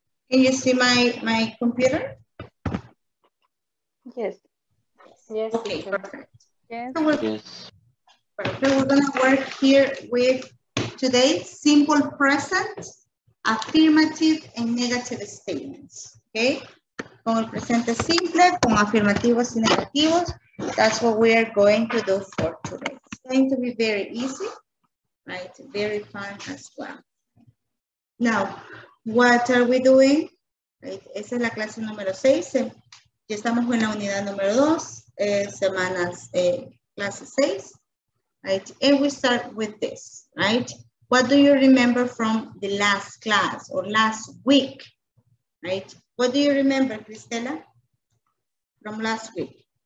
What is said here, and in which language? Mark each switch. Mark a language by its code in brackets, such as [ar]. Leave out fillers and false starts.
[en] Can you see my computer? Yes. Yes. Okay, perfect. Yes. So we're going to work here with today, simple present, affirmative, and negative statements. Okay? [es] Con el presente simple, con afirmativos y negativos. [en] That's what we are going to do for today. It's going to be very easy, right? Very fun as well. Now, what are we doing? Right? [es] Esa es la clase número 6. Ya estamos en la unidad número 2, semanas, clase 6. [en] Right? And we start with this, right? What do you remember from the last class or last week, right? What do you remember, Cristela, from last week?